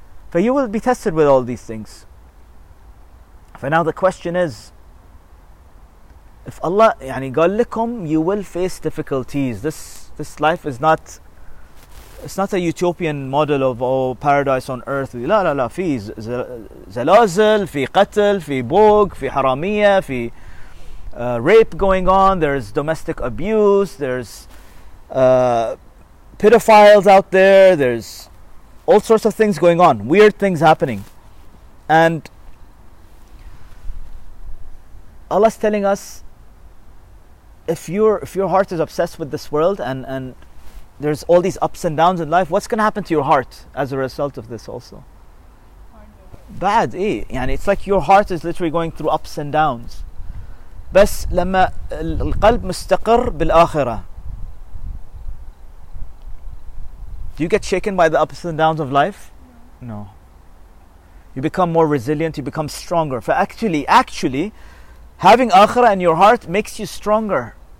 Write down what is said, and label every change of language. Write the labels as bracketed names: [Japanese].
[English] For you will be tested with all these things. For now the question is, if Allah [Arabic] يعني قال لكم, [English] you will face difficulties. This life is not, it's not a utopian model of paradise on earth. [Arabic] لا لا لا, في زلازل, في قتل, في بوق, في حرامية, في [English] rape going on. There's domestic abuse. There's pedophiles out there. There's all sorts of things going on. Weird things happening. And Allah's telling us, If your heart is obsessed with this world and there's all these ups and downs in life, what's going to happen to your heart as a result of this also? Bad, eh? يعني it's like your heart is literally going through ups and downs. [Arabic] بس لما القلب مستقر بالآخرة. [English] Do you get shaken by the ups and downs of life? No. You become more resilient, you become stronger. For actually, having Akhirah in your heart makes you stronger.